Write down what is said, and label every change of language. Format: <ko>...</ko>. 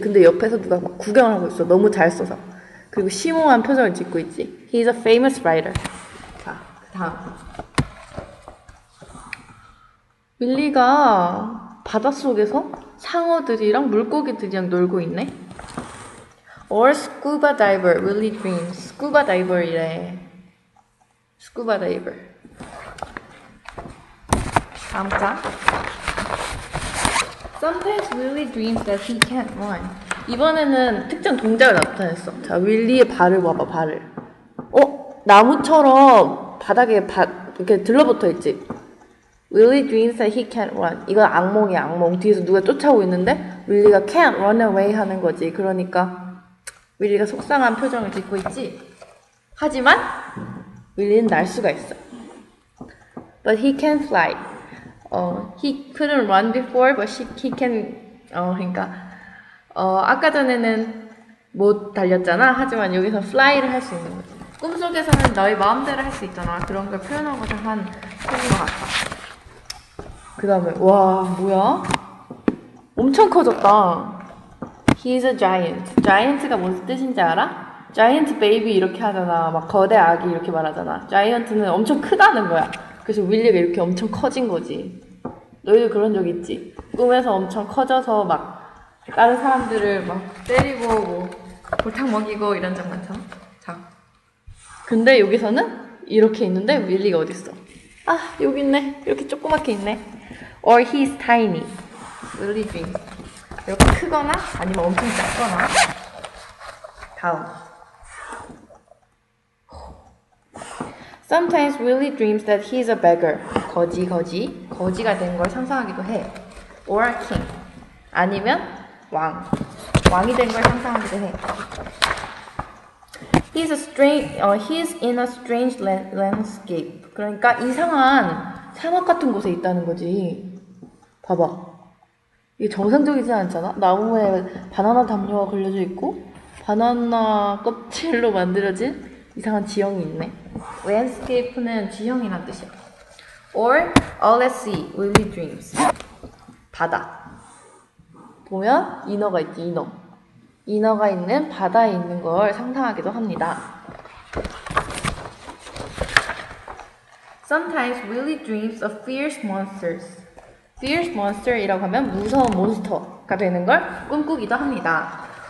<ko>근데 옆에서 누가 막 구경을 하고 있어. 너무 잘 써서. 그리고 심오한 표정을 짓고 있지.</ko> <en>He's a famous writer.</en> <ko>자, 그 다음. 윌리가 바닷속에서 상어들이랑 물고기들이랑 놀고 있네.</ko> <en>Or scuba diver, Willy dreams. Scuba diver이래. Scuba diver.</en> <ko>다음 장.</ko> <en>Sometimes Willy dreams that he can't run.</en> <ko>이번에는 특정 동작을 나타냈어. 자, 윌리의 발을 봐봐, 발을. 나무처럼 바닥에 이렇게 들러붙어 있지?</ko> <en>Willy dreams that he can't run.</en> <ko>이건 악몽이야, 악몽. 뒤에서 누가 쫓아오고 있는데, Willy가</ko> <en>can't run away</en> <ko>하는 거지. 그러니까, Willy가 속상한 표정을 짓고 있지? 하지만 우리는 날 수가 있어.</ko> <en>But he can fly. He couldn't run before, but he can.</en> <ko>그러니까 아까 전에는 못 달렸잖아. 하지만 여기서 fly를 할 수 있는 거지. 꿈속에서는 너의 마음대로 할 수 있잖아. 그런 걸 표현하고자 한 책인 것 같아. 그 다음에, 와, 뭐야? 엄청 커졌다.</ko> <en>He's a giant.</en> <ko>Giant가 무슨 뜻인지 알아? Giant baby 이렇게 하잖아. 막 거대 아기 이렇게 말하잖아. Giant는 엄청 크다는 거야. 그래서 윌리가 이렇게 엄청 커진 거지. 너희도 그런 적 있지? 꿈에서 엄청 커져서 막 다른 사람들을 막 때리고 뭐 골탕 먹이고 이런 적 많죠? 자. 근데 여기서는 이렇게 있는데 윌리가 어딨어? 아, 여기 있네. 이렇게 조그맣게 있네.</ko> <en>Or he's tiny. Sleeping.</en> <ko>이렇게 크거나 아니면 엄청 작거나. 다음.</ko> <en>Sometimes Willy dreams that he's a beggar.</en> <ko>거지가 된걸 상상하기도 해.</ko> <en>Or a king.</en> <ko>아니면 왕. 왕이 된걸 상상하기도 해.</ko> <en>He's in a strange landscape.</en> <ko>그러니까 이상한 사막 같은 곳에 있다는 거지. 봐봐. 이게 정상적이지는 않잖아? 나무에 바나나 담요가 걸려져 있고, 바나나 껍질로 만들어진 이상한 지형이 있네. Landscape는 지형이란 뜻이야.</ko> <en>Or all at sea, Willy dreams.</en> <ko>바다. 보면, 인어가 있지, 인어. 인어가 있는 바다에 있는 걸 상상하기도 합니다.</ko> <en>Sometimes Willy dreams of fierce monsters.</en> <ko>Fierce monster이라고 하면 무서운 몬스터가 되는 걸 꿈꾸기도 합니다.</ko>